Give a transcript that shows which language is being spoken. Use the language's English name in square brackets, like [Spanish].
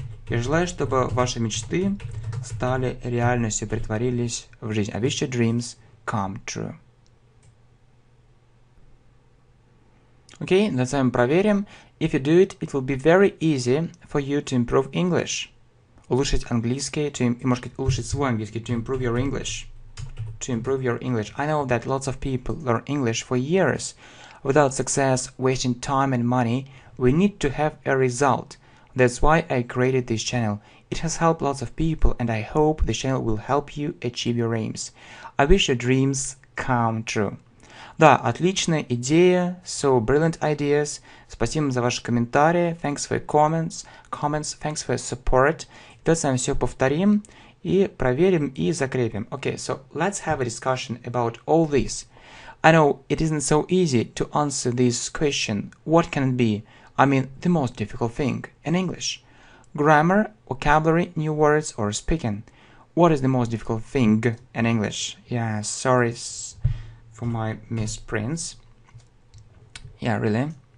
[Russian] Я желаю, чтобы ваши мечты стали реальностью, претворились в жизнь. [English] I wish your dreams come true. [Russian] Окей, давайте с вами проверим. [English] If you do it, it will be very easy for you to improve English. [Russian] Улучшить английский, улучшить свой английский, [English] to improve your English. I know that lots of people learn English for years. Without success, wasting time and money, we need to have a result. That's why I created this channel. It has helped lots of people, and I hope the channel will help you achieve your aims. I wish your dreams come true. [Russian] Да, отличная идея. [English] So brilliant ideas. [Russian] Спасибо за ваши комментарии. [English] Thanks for your comments. Comments. Thanks for your support. [Russian] Итак, сами все повторим и проверим и закрепим. [English] Okay, so let's have a discussion about all this. I know it isn't so easy to answer this question. What can it be? I mean, the most difficult thing in English. Grammar, vocabulary, new words, or speaking. What is the most difficult thing in English? Yeah, sorry for my misprints. Yeah, really.